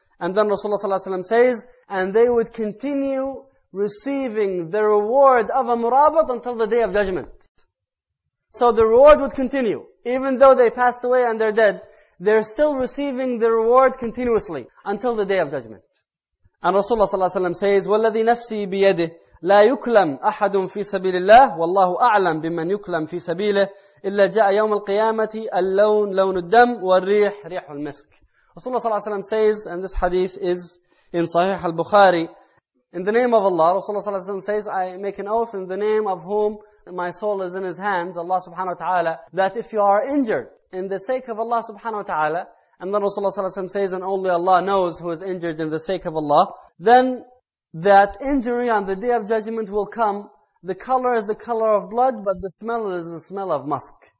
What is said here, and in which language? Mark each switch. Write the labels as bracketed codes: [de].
[en] And then Rasulullah sallallahu alayhi wa sallam says, and they would continue receiving the reward of a murabat until the day of judgment. So the reward would continue. Even though they passed away and they're dead, they're still receiving the reward continuously until the day of judgment. And Rasulullah sallallahu alayhi wa sallam says, [ar] وَالَّذِي نَفْسِي بِيَدِهِ لَا يُكْلَمْ أَحَدٌ فِي سَبِيلِ اللَّهِ وَاللَّهُ أَعْلَمْ بِمَنْ يُكْلَمْ فِي سَبِيلِهِ إِلَّا جَاءَ يَوْمَ الْقِيَامَةِ اللَّوْنُ لَوْنُ الدَّمِ وَالْرِيحُ رِيحُ الْمِسْكِ. [en] Rasulullah sallallahu alayhi wa sallam says, and this hadith is in Sahih al-Bukhari, in the name of Allah, Rasulullah sallallahu alayhi wa sallam says, I make an oath in the name of whom my soul is in his hands, Allah subhanahu wa ta'ala, that if you are injured in the sake of Allah subhanahu wa ta'ala, and then Rasulullah sallallahu alayhi wa sallam says, and only Allah knows who is injured in the sake of Allah, then that injury on the day of judgment will come, the color is the color of blood, but the smell is the smell of musk.